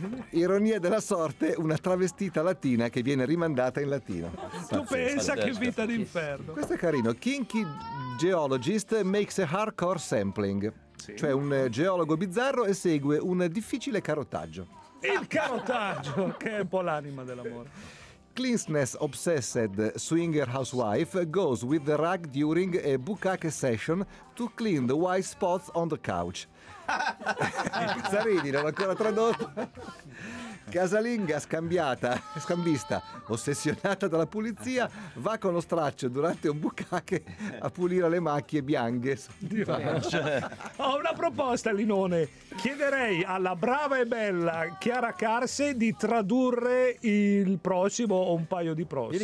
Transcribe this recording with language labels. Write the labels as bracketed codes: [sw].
[it] Ironia della sorte, una travestita latina che viene rimandata in latino. Tu pensa che vita d'inferno. Questo è carino. [en] Kinky Geologist makes a hardcore sampling, [it] sì, cioè un geologo bizzarro esegue un difficile carotaggio. Il carotaggio, che è un po' l'anima dell'amore. [en] Cleanness obsessed swinger housewife goes with the rag during a bukkake session to clean the white spots on the couch. [it] Zaridi, non ho ancora tradotto. Casalinga scambista, ossessionata dalla pulizia, va con lo straccio durante un bukkake a pulire le macchie bianche sul divano. Ho una proposta, Linone. Chiederei alla brava e bella Chiara Carse di tradurre il prossimo o un paio di prossimi.